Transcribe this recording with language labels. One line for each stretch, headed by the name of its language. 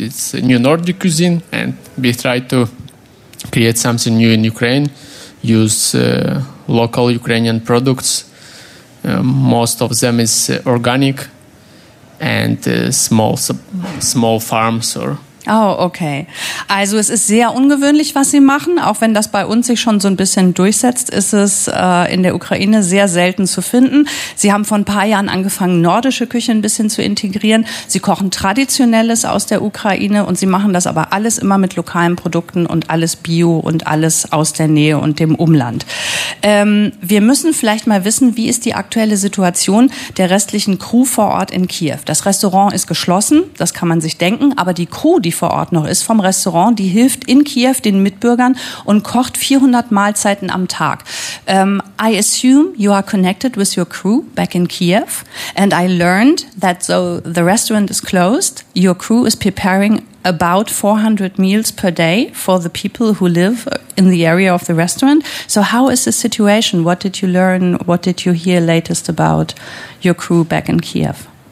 English: It's a new Nordic cuisine, and we try to create something new in Ukraine. Use local Ukrainian products. Most of them is organic and small farms or. Oh, okay.
German: Also es ist sehr ungewöhnlich, was Sie machen. Auch wenn das bei uns sich schon so ein bisschen durchsetzt, ist es in der Ukraine sehr selten zu finden. Sie haben vor ein paar Jahren angefangen, nordische Küche ein bisschen zu integrieren. Sie kochen Traditionelles aus der Ukraine und Sie machen das aber alles immer mit lokalen Produkten und alles Bio und alles aus der Nähe und dem Umland. Wir müssen vielleicht mal wissen, wie ist die aktuelle Situation der restlichen Crew vor Ort in Kiew? Das Restaurant ist geschlossen, das kann man sich denken, aber die Crew, die vor Ort noch ist vom Restaurant, die hilft in Kiew den Mitbürgern und kocht 400 Mahlzeiten am Tag.
English: I assume you are connected with your crew back in Kiev and I learned that though the restaurant is closed, your crew is preparing about 400 meals per day for the people who live in the area of the restaurant. So how is the situation? What did you learn? What did you hear latest about your crew back in Kiev?